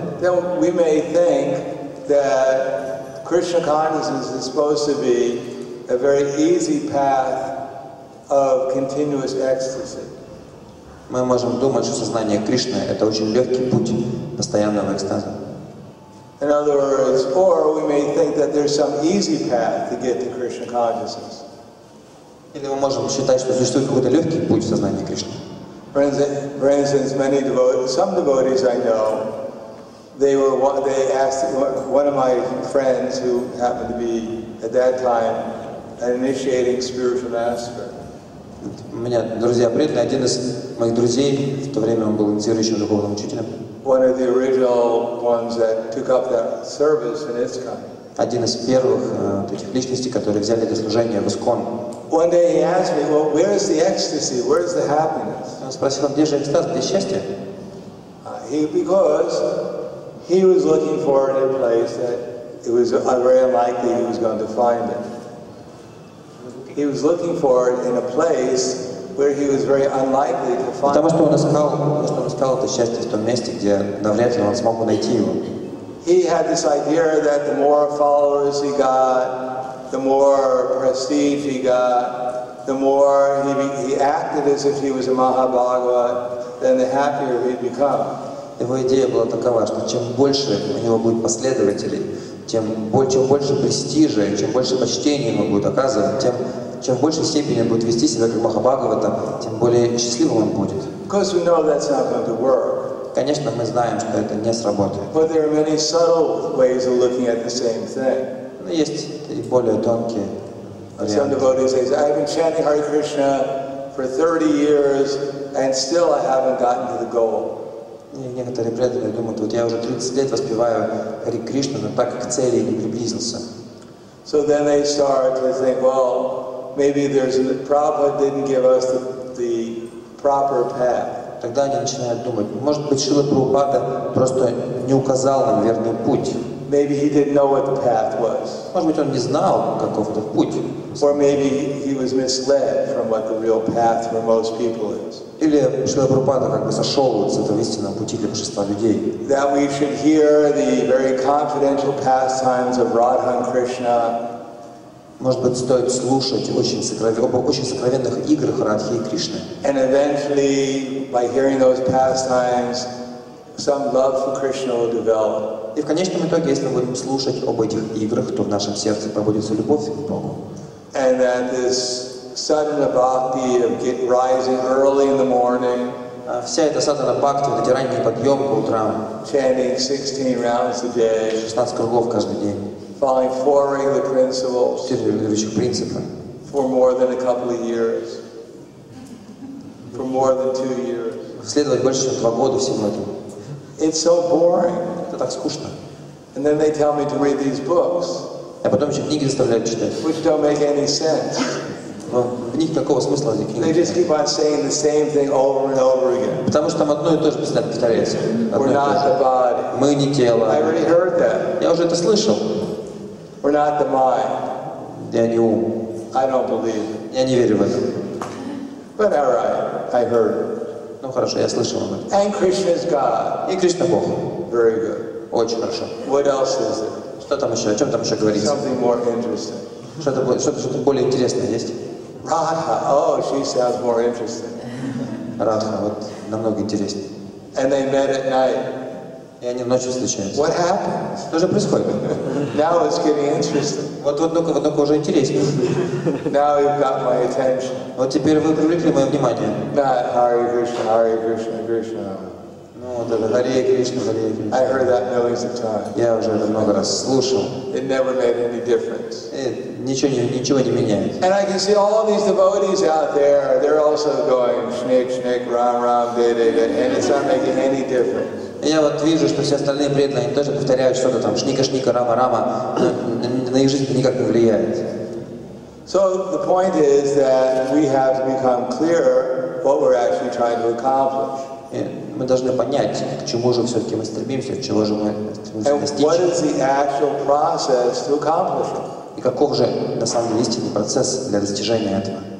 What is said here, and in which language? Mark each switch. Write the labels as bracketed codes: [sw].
[en] Then we may think that Krishna consciousness is supposed to be a very easy path of continuous ecstasy. [ru] Мы можем думать, что сознание Кришны — это очень легкий путь постоянного экстаза. [en] In other words, or we may think that there's some easy path to get to Krishna consciousness. [ru] Или мы можем считать, что существует какой-то легкий путь в сознании Кришны. [en] For instance, many devotees, some devotees I know, they asked one of my friends who happened to be at that time an initiating spiritual master. [ru] У меня друзья преданные, один из моих друзей, в то время он был инициирующим духовным учителем. [en] One of the original ones that took up that service in ISKCON. [ru] Один из первых таких личностей, которые взяли это служение в ISKCON. [en] One day he asked me, well, where is the ecstasy? Where is the happiness? [ru] Он спросил, где же экстаз, где счастье? [en] Because he was looking for it in a place that it was very unlikely he was going to find it. He was looking for it in a place where he was very unlikely to find it. [ru] Потому что он искал, это счастье в том месте, где навряд ли он смог бы найти его. [en] He had this idea that the more followers he got, the more prestige he got, the more he acted as if he was a Mahabhagavat, then the happier he'd become. [ru] Его идея была такова, что чем больше у него будет последователей, чем больше престижа, чем больше почтения ему будет оказывать, чем в большей степени будет вести себя как Махабхагавата, тем более счастливым он будет. [en] Because we know that's not going to work. [ru] Конечно, мы знаем, что это не сработает. [en] But there are many subtle ways of looking at the same thing. [ru] Но есть и более тонкие варианты. [en] Some devotees say, I've been chanting Hare Krishna for 30 years and still I haven't gotten to the goal. [ru] И некоторые преданные думают, вот я уже 30 лет воспеваю Хари Кришну, но так к цели не приблизился. [en] So then they start to think, well, maybe there's a Prabhupada didn't give us the proper path. [ru] Тогда они начинают думать, может быть, Шрила Прабхупада просто не указал нам верный путь. [en] Maybe he didn't know what the path was. [ru] Может быть, он не знал, каков этот путь. [en] Or maybe he was misled from what the real path for most people is. [ru] Или Шрила Прабхупада как бы сошел с этого истинного пути для большинства людей. [en] That we should hear the very confidential pastimes of Radha and Krishna. [ru] Может быть, стоит слушать очень сокровенных играх Радхи и Кришны. [en] And eventually, by hearing those pastimes, some love for Krishna will develop. [ru] И в конечном итоге, если мы будем слушать об этих играх, то в нашем сердце пробудится любовь к Богу. [en] And that this sudden bhakti of rising early in the morning. [ru] Вся эта садхана бхакти, вот эти ранние подъемы по утрам. [en] Chanting 16 rounds a day. [ru] 16 кругов каждый день. [en] Following four regular principles. [ru] Четыре регулирующих принципа. [en] For more than a couple of years. For more than 2 years. [ru] Следовать больше чем 2 года всем этим. [en] It's so boring. [ru] Это так скучно. [en] And then they tell me to read these books. [ru] А потом еще книги заставляют читать. [en] Which don't make any sense. [ru] В них такого смысла нет. [en] They just keep on saying the same thing over and over again. [ru] Потому что там одно и то же постоянно повторяется. [en] We're not the body. [ru] Мы не тело. [en] I already heard that. [ru] Я уже это слышал. [en] We're not the mind. [ru] Я не ум. [en] I don't believe. [ru] Я не верю в это. [en] But all right, I heard. [ru] Ну хорошо, я слышал об этом. [en] And Krishna is God. [ru] И Кришна Бог. [en] Very good. [ru] Очень хорошо. [en] What else is it? [ru] Что там еще? О чем там еще говорится? [en] Something more interesting. [ru] Что-то более интересное есть? [en] Radha. Oh, she sounds more interesting. [ru] Radha, вот намного интереснее. [en] And they met at night. [ru] И они ночью встречаются. [en] What happens? [ru] Что же происходит? [en] Now it's getting interesting. [ru] Вот, ну-ка уже интереснее. [en] Now you've got my attention. [ru] Вот теперь вы привлекли мое внимание. [en] Not Hare Krishna, Hare Krishna, Krishna. I heard that millions of times. [ru] Я уже это много раз слушал. [en] It never made any difference. [ru] Ничего не меняет. [en] And I can see all these devotees out there. They're also going shnik shnik ram ram day day day, and it's not making any difference. [ru] Я вот вижу, что все остальные преданные, они тоже повторяют что-то там шника шника рама рама, на их жизнь никак не влияет. [en] So the point is that we have to become clearer what we're actually trying to accomplish. [ru] Мы должны понять, к чему же все-таки мы стремимся, чего же мы стремимся. И каков же на самом деле истинный процесс для достижения этого?